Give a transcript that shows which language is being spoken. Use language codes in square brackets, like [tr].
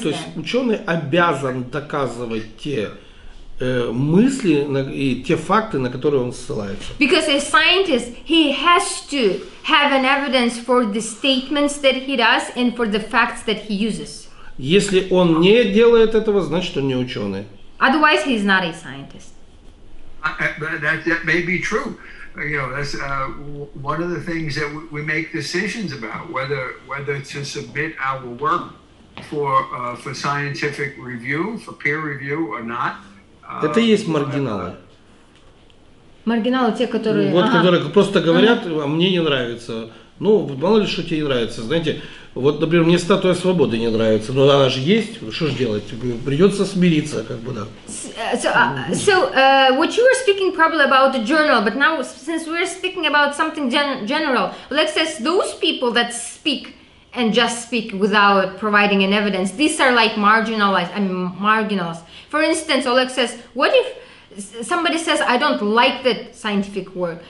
[ru] То есть ученый обязан доказывать те мысли и те факты, на которые он ссылается. [en] Because a scientist, he has to have an evidence for the statements that he does and for the facts that he uses. [ru] Если он не делает этого, значит, он не ученый. [en] Otherwise, he's not a scientist. That may be true. You know, that's one of the things that we make decisions about, whether to submit our work for scientific review, for peer review or not. [ru] Это и есть маргиналы. Маргиналы те, которые... Вот, которые просто говорят, а мне не нравится. Ну, мало ли, что тебе не нравится, знаете... Вот, например, мне Статуя Свободы не нравится, но она же есть, что же делать? Придется смириться, как бы, да. [en] So, what you were speaking probably about the journal, but now, since we're speaking about something general, Alex says, those people that speak and just speak without providing an evidence, these are like marginals. For instance, Alex says, what if somebody says, I don't like that scientific work?